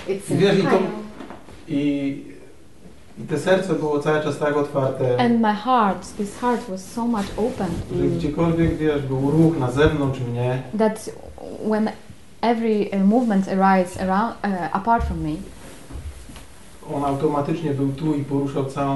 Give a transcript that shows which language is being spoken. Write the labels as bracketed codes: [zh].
[pl] Wiesz, i to serce było cały czas tak otwarte. [en] And my heart, this heart was so much open. [pl] Że gdziekolwiek wiesz, był ruch na zewnątrz mnie. [en] That when every movement arises around apart from me. [pl] On automatycznie był tu i poruszał całą.